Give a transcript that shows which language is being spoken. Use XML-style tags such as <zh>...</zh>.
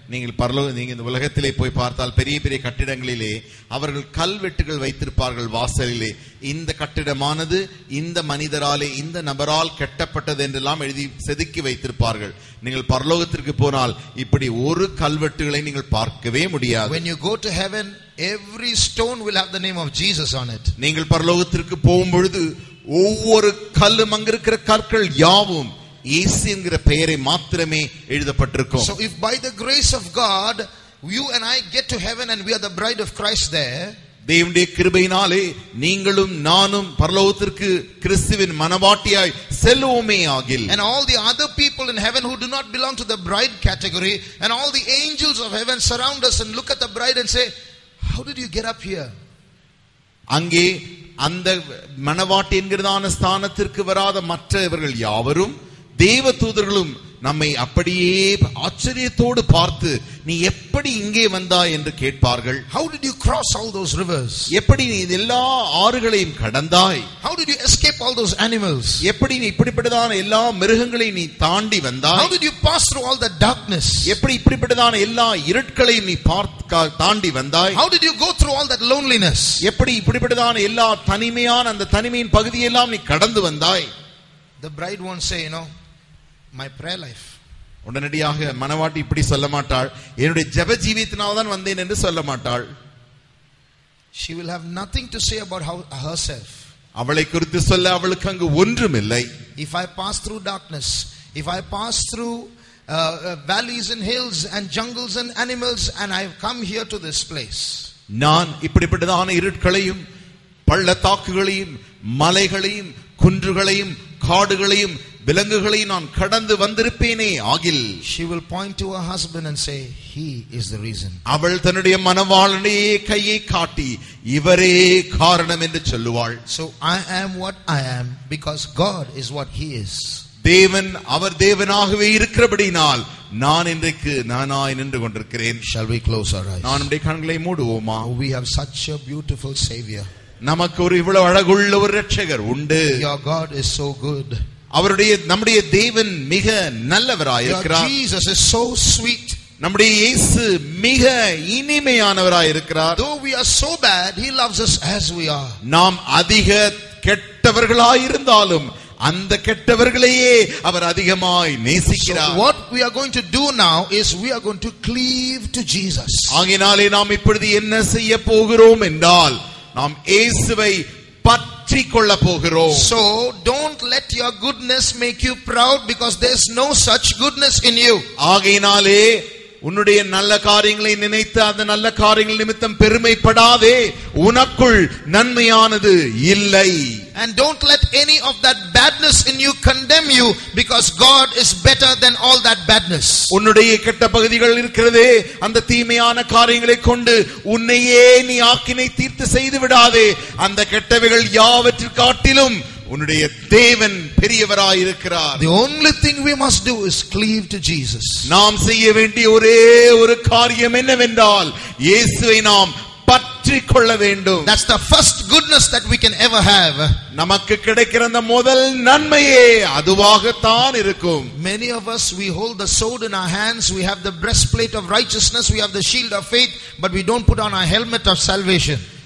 <ta>நீங்கள் பரலோகத்தில் நீங்க இந்த உலகத்திலே போய் பார்த்தால் பெரிய பெரிய கட்டிடங்களிலே அவர்கள் கல்வெட்டுகள் வைத்திருப்பார்கள் வாசலிலே. இந்த கட்டிடமானது இந்த மனிதராலே இந்த நபரால் கட்டப்பட்டது என்றெல்லாம் எழுதி செதுக்கி வைத்திருப்பார்கள். நீங்கள் பரலோகத்திற்கு போனால் இப்படி ஒரு கல்வெட்டுகளை நீங்கள் பார்க்கவே முடியாது.</ta> <en>When you go to heaven, every stone will have the name of Jesus on it.</en> <ta>நீங்கள் பரலோகத்திற்கு போகும்பொழுது ஒவ்வொரு கல்லும் அங்கிருக்கிற கற்கள் யாவும் இயேசு என்கிற பெயரை மாத்திரமே எழுதப்பட்டிருக்கும்.</ta> <en>So if by the grace of God you and I get to heaven and we are the bride of Christ there.</en> <ta>தேவனுடைய கிருபையினாலே நீங்களும் நானும் பரலோகத்திற்கு கிறிஸ்துவின் மனவாட்டியாய் செல்வோமே ஆகில்.</ta> <en>And all the other people in heaven who do not belong to the bride category and all the angels of heaven surround us and look at the bride and say, how did you get up here?</en> <ta>அங்கே அந்த மனவாட்டி என்கிறதான ஸ்தானத்திற்கு வராத மற்றவர்கள் யாவரும் தேவ தூதர்களும் நம்மை அப்படியே ஆச்சரியத்தோடு பார்த்து நீ எப்படி இங்கே வந்தாய் என்று கேட்பார்கள்.</ta> <en>How did you cross all those rivers?</en> <ta>எப்படி நீ எல்லா ஆறுகளையும் கடந்தாய்?</ta> <en>How did you escape all those animals?</en> <ta>எப்படி நீ இப்படிப்பட்டதான எல்லா மிருகங்களையும் நீ தாண்டி வந்தாய்?</ta> <en>How did you pass through all the darkness?</en> <ta>எப்படி இப்படிப்பட்டதான எல்லா இருட்களையும் நீ தாண்டி வந்தாய்?</ta> <en>How did you go through all that loneliness?</en> <ta>எப்படி இப்படிப்பட்டதான எல்லா தனிமையான அந்த தனிமையின் பகுதியெல்லாம் நீ கடந்து வந்தாய்?</ta> <en>The bride won't say, you know, my prayer life.</en> <ta>உடனடியாக மனவாட்டி இப்படி சொல்ல மாட்டாள், என்னுடைய ஜெப ஜீவியத்தினால் தான் வந்தேன் என்று சொல்ல மாட்டாள்.</ta> <en>She will have nothing to say about herself.</en> <ta>அவளை குறித்து சொல்ல அவளுக்கு அங்கு ஒன்றும் இல்லை.</ta> <en>If I pass through darkness, if I pass through valleys and hills and jungles and animals and I have come here to this place.</en> <ta>நான் இப்படிப்பட்டதான இருட்களையும் பள்ளத்தாக்குகளையும் மலைகளையும் குன்றுகளையும் காடுகளையும் விலங்குகளை நான் கடந்து வந்திருப்பேனே ஆகில்.</ta> <en>She will point to her husband and say, he is the reason.</en> <ta>அவள் தன்னுடைய மனவாளனையே கையை காட்டி இவரே காரணம் என்று சொல்லுவாள்.</ta> <en>So I am what I am because God is what he is.</en> <ta>தேவன் அவர் தேவனாகவே இருக்கிறபடியால் நான் இன்றைக்கு நானாய் நின்று கொண்டிருக்கிறேன்.</ta> <en>Shall we close our eyes?</en> <ta>நான் நம்முடைய கண்களை மூடுவோமா?</ta> <en>We have such a beautiful savior.</en> <ta>நமக்கு ஒரு இவ்வளவு அழகுள்ள ஒரு இரட்சகர் உண்டு.</ta> <en>Your God is so good.</en> <ta>அவருடைய நம்முடைய தேவன் மிக நல்லவராயிருக்கிறார்.</ta> <en>Jesus is so sweet.</en> <ta>நம்முடைய இயேசு மிக இனிமையானவராயிருக்கிறார்.</ta> <en>Though we are so bad, he loves us as we are.</en> <ta>நாம் அதிக கெட்டவர்களாயிருந்தாலும் அந்த கெட்டவர்களையே அவர் அதிகமாய் நேசிக்கிறார்.</ta> <en>So what we are going to do now is we are going to cleave to Jesus.</en> <ta>ஆகினாலே நாம் இப்பொழுது என்ன செய்ய போகிறோம் என்றால் நாம் இயேசுவை பற்றிக்கொள்ள போகிறோம்.</ta> <en>So don't let your goodness make you proud because there's no such goodness in you.</en> <ta>ஆகையினாலே உன்னுடைய நல்ல காரியங்களை நினைத்து அந்த நல்ல காரியங்கள் நிமித்தம் பெருமைப்படாதே. உனக்குள் நன்மையானது இல்லை.</ta> <en>And don't let any of that badness in you condemn you because God is better than all that badness.</en> <ta>உன்னுடைய கெட்ட பகுதிகள் இருக்கிறதே அந்த தீமையான காரியங்களை கொண்டு உன்னையே நீ ஆக்கினை தீர்த்து செய்து விடாதே. அந்த கெட்டவைகள் யாவற்றிற்காட்டிலும்</ta> <en>The only thing we must do is cleave to Jesus.</en> <ta>நாம் செய்ய வேண்டிய ஒரே ஒரு காரியம் என்னவென்றால் இயேசுவை நாம் பற்றிக் கொள்ள வேண்டும்.</ta> <en>That's the first goodness that we can ever have.</en> <ta>நமக்கு கிடைக்கிற அந்த முதல் நன்மையே அதுவாகத்தான் இருக்கும்.</ta> <en>Many of us, we hold the sword in our hands, we have the breastplate of righteousness, we have the shield of faith, but we don't put on our helmet of salvation.</en>